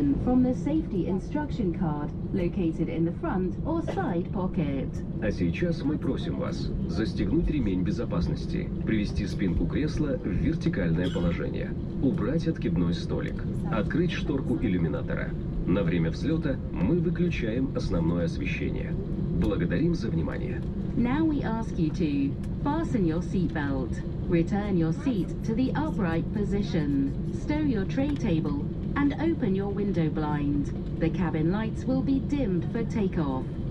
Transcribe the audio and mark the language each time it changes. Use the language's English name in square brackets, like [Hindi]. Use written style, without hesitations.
[English] From the safety instruction card, located in the front or side pocket. [Russian] А сейчас мы просим вас застегнуть ремень безопасности, привести спинку кресла в вертикальное положение, убрать откидной столик, открыть шторку иллюминатора. На время взлета мы выключаем основное освещение. Благодарим за внимание. [English] Now we ask you to fasten your seatbelt, return your seat to the upright position, stow your tray table, and open your window blind. The cabin lights will be dimmed for takeoff.